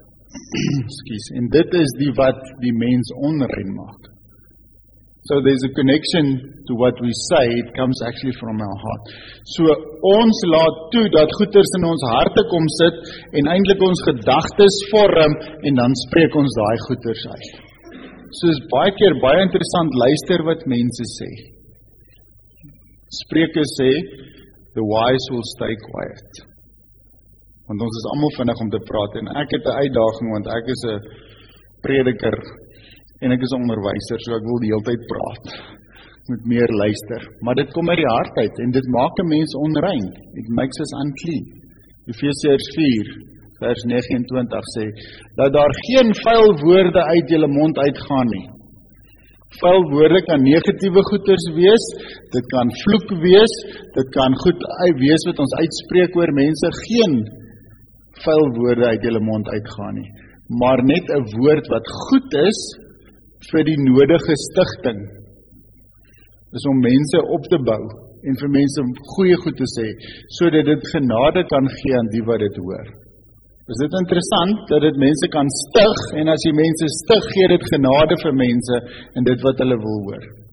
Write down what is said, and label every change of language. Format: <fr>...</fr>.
<af>Excuse, en dit is die wat die mens onrein maak.</af> <en>So there's a connection to what we say, it comes actually from our heart.</en> <af>So ons laat toe dat goeders in ons harte kom sit, en eindelijk ons gedagtes vorm, en dan spreek ons daai goeders uit. So is baie keer, baie interessant, luister wat mense sê. Spreuke sê,</af> <en>the wise will stay quiet.</en> <af>Want ons is allemaal vinnig om te praat, en ek het 'n uitdaging, want ek is 'n prediker, en ek is 'n onderwyser, so ek wil die hele tyd praat, met meer luister. Maar dit kom uit die hart uit, en dit maak 'n mens onrein.</af> <en>It makes us unclean.</en> <af>Efesiërs 4, vers 29 sê, dat daar geen vuil woorde uit julle mond uitgaan nie. Vuil woorde kan negatiewe goeders wees, dit kan vloek wees, dit kan goed wees wat ons uitspreek oor mense, geen vuil woorde uit julle mond uitgaan nie. Maar net 'n woord wat goed is, vir die nodige stigting, is om mense op te bou, en vir mense goeie goed te sê, so dat dit genade kan gee aan die wat dit hoor. Is dit interessant, dat dit mense kan stig, en as die mense stig, gee dit genade vir mense, en dit wat hulle wil hoor.</af>